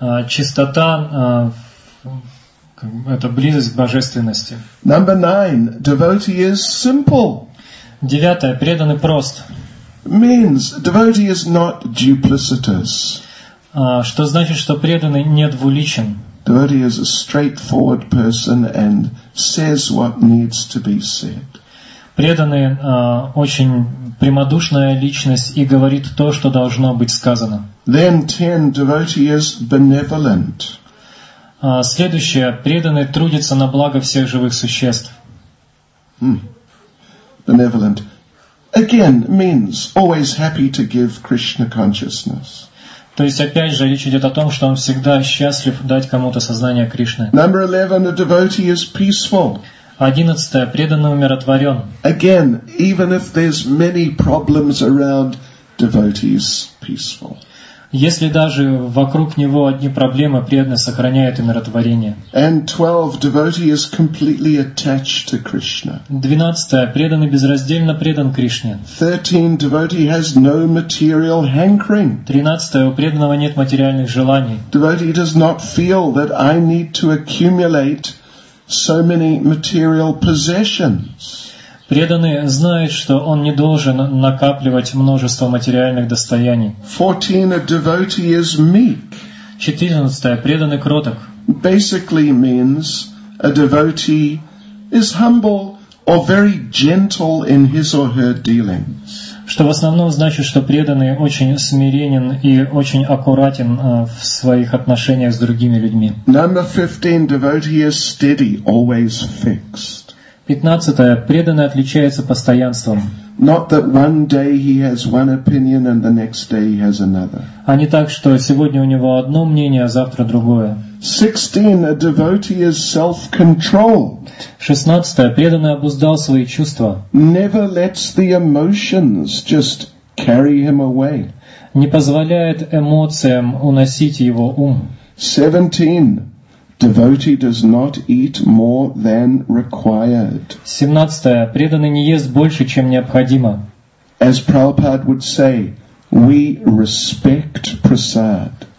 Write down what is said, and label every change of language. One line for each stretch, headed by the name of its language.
Russian: Чистота это близость к божественности.
English: Number 9, devotee is simple.
Russian: Девятое, преданный прост.
English: Means devotee is not duplicitous.
Russian: Что значит, что преданный не двуличен.
English: Devotee is a straightforward person and says what needs to be said.
Russian: Преданный очень прямодушная личность и говорит то, что должно быть сказано.
English: Then 10, devotee is benevolent.
Russian: Следующее. Преданный трудится на благо всех живых существ.
English: Benevolent. Again, means always happy to give Krishna consciousness.
Russian: То есть, опять же, речь идет о том, что он всегда счастлив дать кому-то сознание Кришны.
English: Number 11, a devotee is peaceful.
Russian: 11. Преданный умиротворен.
English: Again, even if there's many problems around, devotee is peaceful.
Russian: Если даже вокруг него одни проблемы, преданный сохраняет умиротворение.
English: And 12, devotee is completely attached to Krishna.
Russian: 12. Преданный безраздельно предан Кришне.
English: 13. Devotee has no material hankering.
Russian: 13. У преданного нет материальных желаний.
English: Devotee does not feel that I need to accumulate so many material possessions.
Russian: Преданный знает, что он не должен накапливать множество материальных достояний.
English: 14. A devotee is meek.
Russian: 14. Преданный кроток.
English: Basically means a devotee is humble or very gentle in his or her dealings.
Russian: Что в основном значит, что преданный очень смиренен и очень аккуратен в своих отношениях с другими людьми.
English: Number 15. Devotee is steady, always fixed.
Russian: 15. Преданный отличается постоянством.
English: Not that one day he has one opinion and the next day he has another.
Russian: А не так, что сегодня у него одно мнение, а завтра другое.
English: 16. A devotee is self-controlled.
Russian: 16. Преданный обуздал свои чувства.
English: Never lets the emotions just carry him away.
Russian: Не позволяет эмоциям уносить его ум.
English: 17. Devotee does not eat more than required.
Russian: 17. Преданный не ест больше, чем необходимо.
English: As Prabhupada would say, we respect prasad.